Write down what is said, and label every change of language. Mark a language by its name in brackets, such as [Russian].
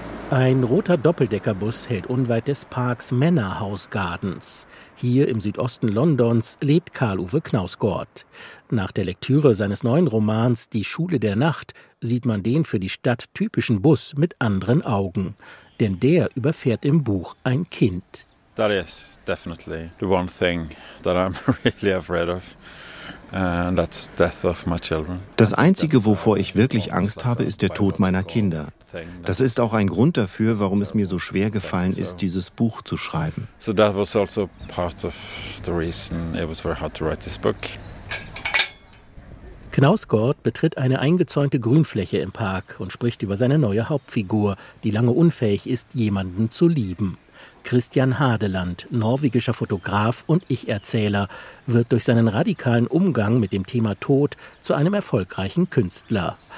[German] Ein roter Doppeldeckerbus hält unweit des Parks Manor House Gardens. Hier im Südosten Londons lebt Karl-Ove Knausgård. Nach der Lektüre seines neuen Romans »Die Schule der Nacht« sieht man den für die Stadt typischen Bus mit anderen Augen. Denn der überfährt im Buch ein Kind. [English] That is definitely the one thing that I'm really afraid of. And that's death of my children. [German] Das Einzige, wovor ich wirklich Angst habe, ist der Tod meiner Kinder. Das ist auch ein Grund dafür, warum es mir so schwer gefallen ist, dieses Buch zu schreiben. [English] So that was also part of the reason it was very hard to write this book. [German] Knausgård betritt eine eingezäunte Grünfläche im Park und spricht über seine neue Hauptfigur, die lange unfähig ist, jemanden zu lieben. Christian Hadeland, norwegischer Fotograf und Ich-Erzähler, wird durch seinen radikalen Umgang mit dem Thema Tod zu einem erfolgreichen Künstler.